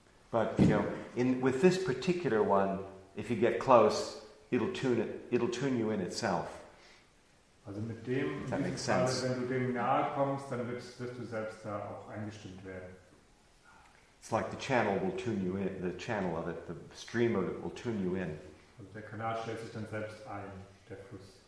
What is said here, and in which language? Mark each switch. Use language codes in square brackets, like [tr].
[en] But, you know, with this particular one, if you get close, it'll tune you in itself. [de] Also mit dem, [en] that makes sense. [de] Wenn du dem nahe kommst, dann wirst du selbst da auch eingestimmt werden. [en] It's like the channel will tune you in, the channel of it, the stream of it will tune you in. [de] Also der Kanal stellt sich dann selbst ein, der Fluss.